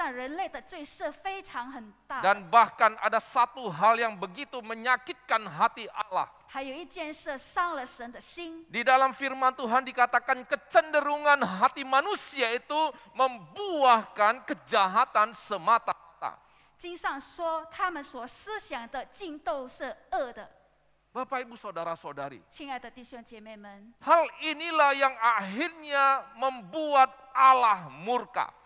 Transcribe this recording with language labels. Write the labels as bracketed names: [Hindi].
[Chinese] 神就看到在这个世界上人类的罪是非常很大. [Indonesian] Dan bahkan ada satu hal yang begitu menyakitkan hati Allah. [Chinese] 还有一件事伤了神的心. [Indonesian] Di dalam firman Tuhan dikatakan kecenderungan hati manusia itu membuahkan kejahatan semata-mata. [Chinese] 经上说他们所思想的尽都是恶的. [Indonesian] Bapak Ibu Saudara Saudari, [Chinese] 亲爱的弟兄姐妹们, [Indonesian] hal inilah yang akhirnya membuat Allah murka.